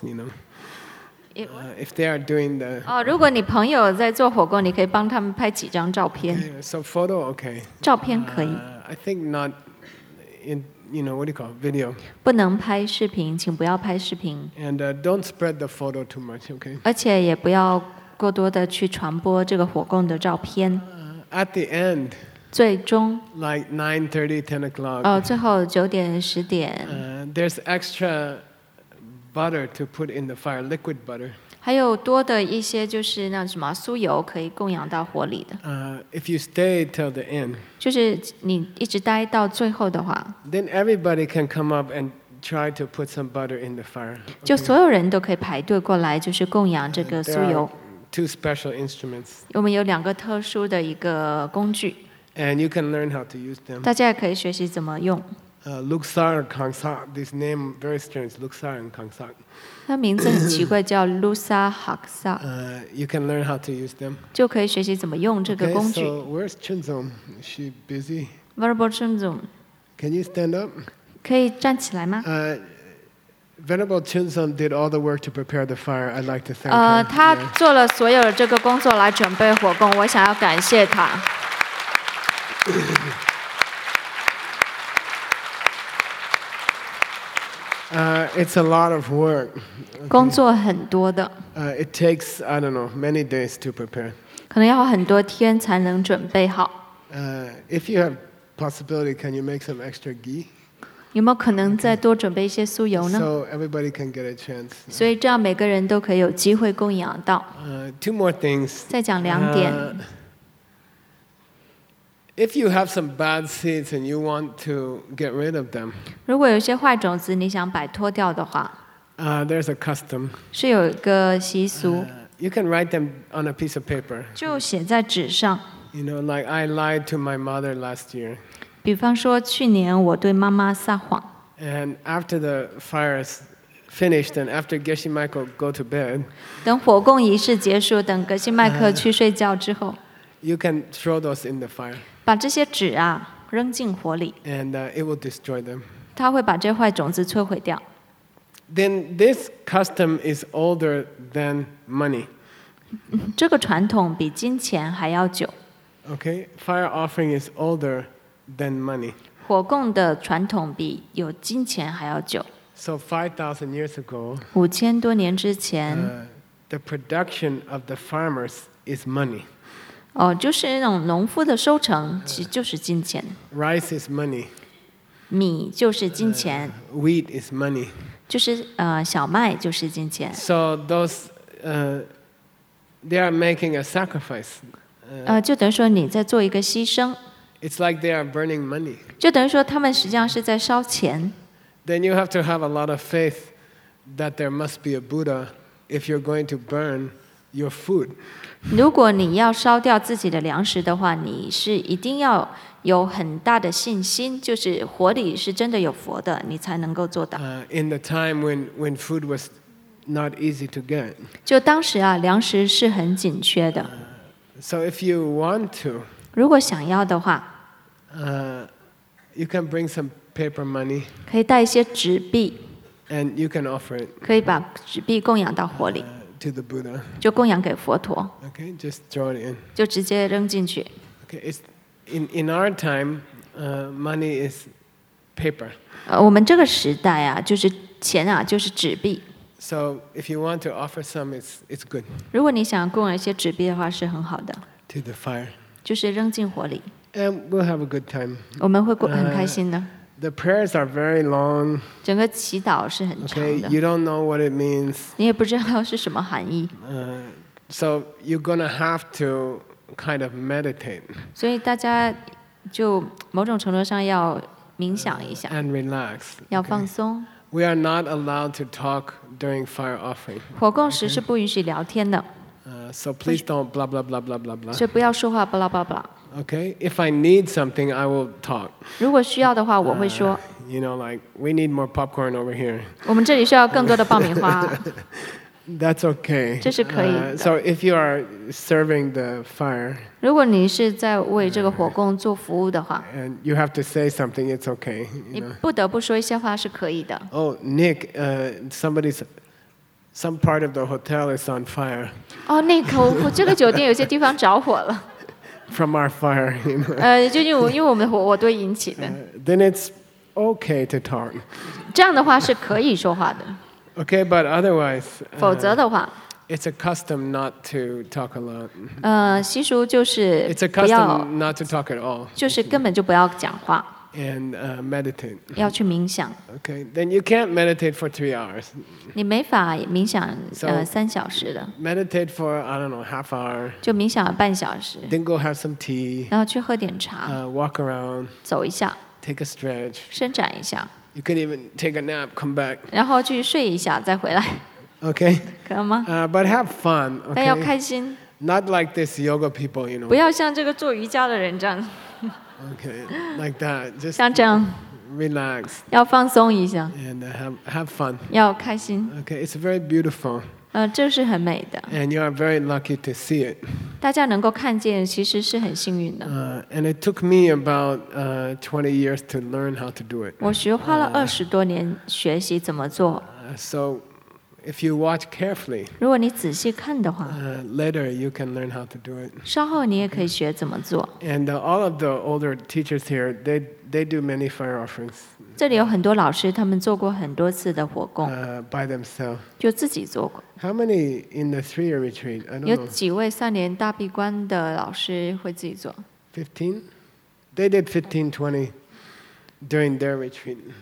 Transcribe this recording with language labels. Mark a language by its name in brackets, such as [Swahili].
[English] You know, if they are doing the [Chinese] 如果你朋友在做火锅，你可以帮他们拍几张照片。 [English] Okay, so photo, okay. [Chinese] 照片可以。 [English] I think not in, you know, what do you call it? Video. [Chinese] 不能拍视频，请不要拍视频。 [English] And don't spread the photo too much, okay? [Chinese] 而且也不要过多的去传播这个火锅的照片。 [English] At the end. [Chinese] 最终。 [English] Like 9:30, 10 o'clock. [Chinese] 最后九点十点。 [English] There's extra. Butter to put in the fire, liquid butter. [Chinese] 还有多的一些就是那什么酥油可以供养到火里的。 [English] If you stay till the end, [Chinese] 就是你一直待到最后的话。 [English] Then everybody can come up and try to put some butter in the fire. [Chinese] 就所有人都可以排队过来，就是供养这个酥油。 [English] Two special instruments. [Chinese] 我们有两个特殊的一个工具。 [English] And you can learn how to use them. [Chinese] 大家也可以学习怎么用。 [English] Luksar Kangsak, this name very strange. Luksar and Kangsak. [Chinese] 它名字很奇怪，叫 Luksar Kangsak. [English] You can learn how to use them. [Chinese] 就可以学习怎么用这个工具。 [English] Okay, so where's Chun Zong? Is she busy? Venerable Chun Zong. Can you stand up? [Chinese] 可以站起来吗？ [English] Venerable Chun Zong did all the work to prepare the fire. I'd like to thank her. [Chinese] 他做了所有的这个工作来准备火供，我想要感谢他。 [English] It's a lot of work. [Chinese] 工作很多的。 [English] It takes, I don't know, many days to prepare. [Chinese] 可能要很多天才能准备好。 [English] If you have possibility, can you make some extra ghee? [Chinese] 有没有可能再多准备一些酥油呢？ [English] So everybody can get a chance. [Chinese] 所以这样每个人都可以有机会供养到。 [English] Two more things. [Chinese] 再讲两点。 [English] If you have some bad seeds and you want to get rid of them, [Chinese] 如果有些坏种子你想摆脱掉的话， [English] there's a custom. [Chinese] 是有一个习俗。 [English] You can write them on a piece of paper. [Chinese] 就写在纸上。 [English] You know, like I lied to my mother last year. [Chinese] 比方说去年我对妈妈撒谎。 [English] And after the fire is finished and after Geshe Michael go to bed, [Chinese] 等火供仪式结束，等格西麦克去睡觉之后。 [English] You can throw those in the fire. [Chinese] 把这些纸啊扔进火里。 [English] And it will destroy them. [Chinese] 它会把这坏种子摧毁掉。 [English] Then this custom is older than money. [Chinese] 这个传统比金钱还要久。 [English] Okay, fire offering is older than money. [Chinese] 火供的传统比有金钱还要久。 [English] So 5,000 years ago, [Chinese] 五千多年之前， [English] the production of the farmers is money. [Chinese] 就是那种农夫的收成，其实就是金钱。 [English] Rice is money. [Chinese] 米就是金钱。 [English] Wheat is money. [Chinese] 就是小麦就是金钱。 [English] So those, they are making a sacrifice. [Chinese] 就等于说你在做一个牺牲。 [English] It's like they are burning money. [Chinese] 就等于说他们实际上是在烧钱。 [English] Then you have to have a lot of faith that there must be a Buddha if you're going to burn your food. [Chinese] 如果你要烧掉自己的粮食的话，你是一定要有很大的信心，就是火里是真的有佛的，你才能够做到。 [English] In the time when food was not easy to get. [Chinese] 就当时啊，粮食是很紧缺的。 [English] So if you want to. [Chinese] 如果想要的话。 [English] You can bring some paper money. [Chinese] 可以带一些纸币。 [English] And you can offer it. [Chinese] 可以把纸币供养到火里。 [English] To the Buddha. [Chinese] 就供养给佛陀。 [English] Okay, just throw it in. [Chinese] 就直接扔进去。 [English] Okay, it's in our time, money is paper. [Chinese] 我们这个时代啊，就是钱啊，就是纸币。 [English] So if you want to offer some, it's good. [Chinese] 如果你想供养一些纸币的话，是很好的。 [English] To the fire. [Chinese] 就是扔进火里。 [English] And we'll have a good time. [Chinese] 我们会过很开心的。 [English] The prayers are very long. [Chinese] 整个祈祷是很长的。 [English] Okay, you don't know what it means. [Chinese] 你也不知道是什么含义。 [English] So you're gonna have to kind of meditate. [Chinese] 所以大家就某种程度上要冥想一下。 [English] And relax. [Chinese] 要放松。 [English] We are not allowed to talk during fire offering. [Chinese] 火供时是不允许聊天的。 [English] So please don't blah blah blah blah blah blah. [Chinese] 就不要说话 blah blah blah. [English] Okay, if I need something, I will talk. [Chinese] 如果需要的话，我会说。 [English] You know, like we need more popcorn over here. [Chinese] 我们这里需要更多的爆米花。 [English] That's okay. [Chinese] 这是可以。 [English] So if you are serving the fire. [Chinese] 如果你是在为这个火供做服务的话。 [English] And you have to say something, it's okay. You know? [Chinese] 你不得不说一些话是可以的。 [English] Oh, Nick, somebody's. Some part of the hotel is on fire. [Chinese] Oh, Nick, 我这个酒店有些地方着火了。 [English] From our fire. [Chinese] 就因为我们的火，我对引起的。 [English] Then it's okay to talk. [Chinese] 这样的话是可以说话的。 [English] Okay, but otherwise. [Chinese] 否则的话。 [English] It's a custom not to talk a lot. [Chinese] 习俗就是不要。 [English] It's a custom not to talk at all. [Chinese] 就是根本就不要讲话。 [English] And meditate. [Chinese] 要去冥想。 [English] Okay, then you can't meditate for 3 hours. [Chinese] 你没法冥想三小时的。 [English] Meditate for I don't know half hour. [Chinese] 就冥想半小时。 [English] Then go have some tea. [Chinese] 然后去喝点茶。 [English] Walk around. [Chinese] 走一下。 [English] Take a stretch. [Chinese] 伸展一下。 [English] You can even take a nap, come back. [Chinese] 然后去睡一下再回来。 [English] Okay. [Chinese] 可吗？ [English] But have fun. [Chinese] 但要开心。 [English] Not like this yoga people, you know. [Chinese] 不要像这个做瑜伽的人这样。 [English] Okay, like that. Just [Chinese] 像这样 [English] relax. [Chinese] 要放松一下 [English] And have fun. [Chinese] 要开心 [English] Okay, it's very beautiful. [Chinese] 这是很美的 [English] And you are very lucky to see it. [Chinese] 大家能够看见，其实是很幸运的 [English] And it took me about 20 years to learn how to do it. [Chinese] 我花了二十多年学习怎么做 [English] So, if you watch carefully, [Chinese] 如果你仔细看的话 [English] later you can learn how to do it. [Chinese] 稍后你也可以学怎么做。 [English] And all of the older teachers here, they do many fire offerings. [Chinese] 这里有很多老师，他们做过很多次的火供。 [English] By themselves. [Chinese] 就自己做过。 [English] How many in the three-year retreat? I don't know. [Chinese] 有几位三年大闭关的老师会自己做 [English] ？15? They did 15, 20. During their retreat,